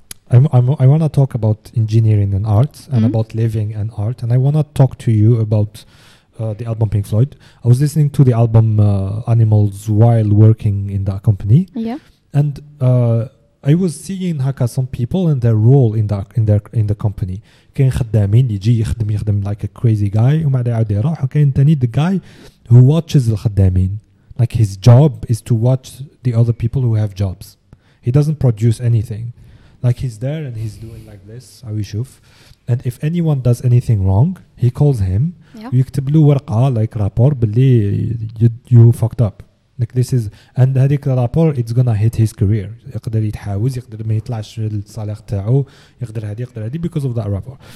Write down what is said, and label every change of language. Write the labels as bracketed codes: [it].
[en] I want to talk about engineering and art and about living and art. And I want to talk to you about the album Pink Floyd. I was listening to the album Animals while working in that company. Yeah. And I was seeing [ar] haka [en] some people and their role in the company. [ar] كان خدامين يجي يخدم [en] like a crazy guy. The guy who watches [ar] الخدامين. [en] Like his job is to watch the other people who have jobs. He doesn't produce anything. Like he's there and he's doing like this, [ar] Awishuf. [en] And if anyone does anything wrong, he calls him. Yeah. [ar] يكتب له ورقة like rapport بلي [en] you fucked up. Like this is and [ar] هذيك [en] rapport it's gonna hit his career. [ar] يقدر يتحاوز يقدر ما يطلعش الصالح تاعه يقدر هذي [en] because of that rapport.